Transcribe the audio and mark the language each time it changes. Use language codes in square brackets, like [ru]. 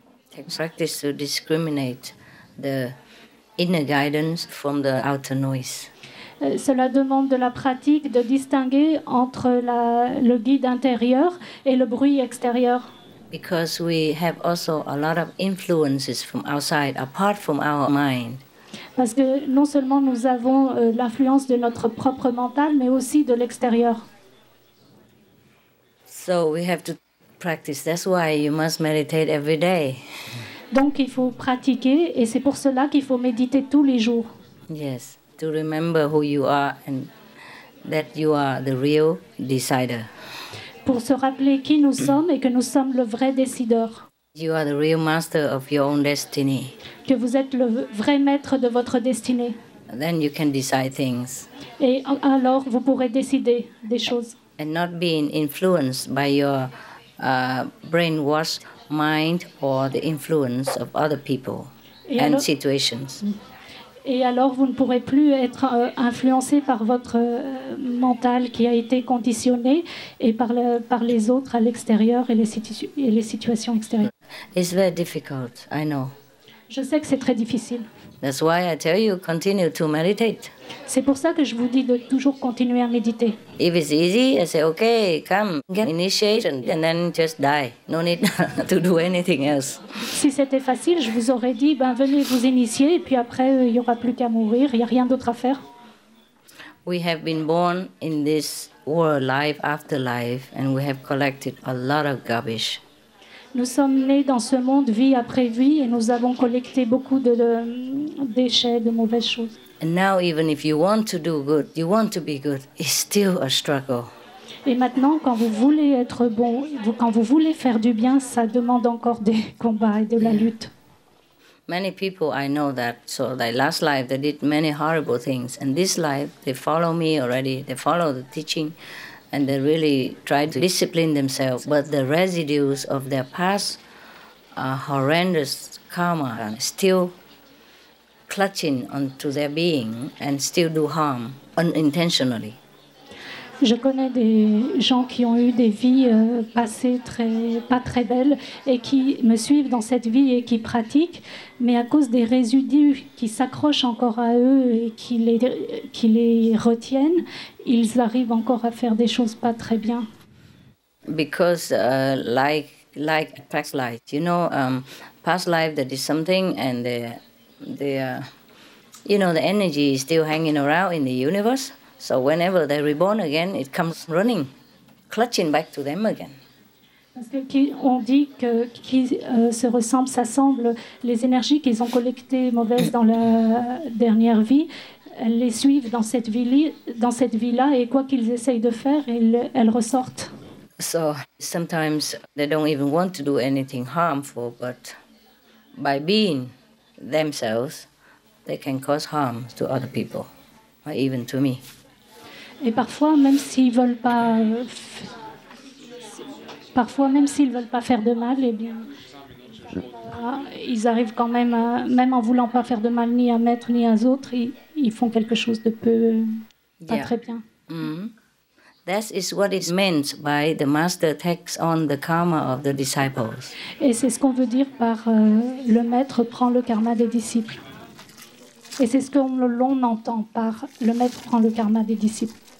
[en] Takes practice to discriminate the inner guidance from the outer noise. [fr] Cela demande de la pratique de distinguer entre le guide intérieur et le bruit extérieur. [en] Because we have also a lot of influences from outside, apart from our mind. [fr] Parce que non seulement nous avons l'influence de notre propre mental, mais aussi de l'extérieur. [en] So we have to practice. That's why you must meditate every day. [fr] Donc il faut pratiquer et c'est pour cela qu'il faut méditer tous les jours. [en] Yes, to remember who you are and that you are the real decider. [fr] Pour se rappeler qui nous sommes et que nous sommes le vrai décideur. [en] You are the real master of your own destiny. [fr] Que vous êtes le vrai maître de votre destinée. [en] then you can decide things. [fr] Et alors vous pourrez décider des choses. [en] And not being influenced by your brainwashed mind or the influence of other people et and alors, situations. [fr] Et alors vous ne pourrez plus être influencé par votre mental qui a été conditionné et par les autres à l'extérieur et les situations extérieures. [en] It's very difficult, I know. [fr] Je sais que c'est très difficile. [en] That's why I tell you continue to meditate. [fr] C'est pour ça que je vous dis de toujours continuer à méditer. [en] If it's easy, I say okay, come, get initiation, and then just die. No need to do anything else. [fr] Si c'était facile, je vous aurais dit ben venez vous initier et puis après il y aura plus qu'à mourir, il y a rien d'autre à faire. [en] We have been born in this world, life after life, and we have collected a lot of garbage. [fr] Nous sommes nés dans ce monde, vie après vie, et nous avons collecté beaucoup de déchets, de mauvaises choses. [en] And now, even if you want to do good, you want to be good, it's still a struggle. [fr] Et maintenant, quand vous voulez être bon, quand vous voulez faire du bien, ça demande encore des combats et de la lutte. [en] Many people I know that, so their last life, they did many horrible things. And this life, they follow me already, they follow the teaching. And they really try to discipline themselves, but the residues of their past horrendous karma are still clutching onto their being and still do harm unintentionally. [fr] Je connais des gens qui ont eu des vies passées très pas très belles et qui me suivent dans cette vie et qui pratiquent, mais à cause des résidus qui s'accrochent encore à eux et qui les retiennent, ils arrivent encore à faire des choses pas très bien. [en] Because like past life, you know, past life that is something and the energy is still hanging around in the universe. So whenever they're reborn again, it comes running, clutching back to them again. [fr] Parce qu'on dit que qui se ressemble, s'assemble, les énergies qu'ils ont collectées mauvaises dans la dernière vie, elles les suivent dans cette vie-là, et quoi qu'ils essayent de faire, elles ressortent. [en] So sometimes they don't even want to do anything harmful, but by being themselves, they can cause harm to other people, or even to me. [fr] Et parfois, même s'ils veulent pas, parfois même s'ils veulent pas faire de mal, eh bien, ils arrivent quand même, même en voulant pas faire de mal ni à maître ni à autres, ils font quelque chose de peu, pas très bien. Mm-hmm. [en] That is what is meant by the master takes on the karma of the disciples. [fr] Et c'est ce qu'on veut dire par le maître prend le karma des disciples. Et c'est ce que l'on entend par le maître prend le karma des disciples.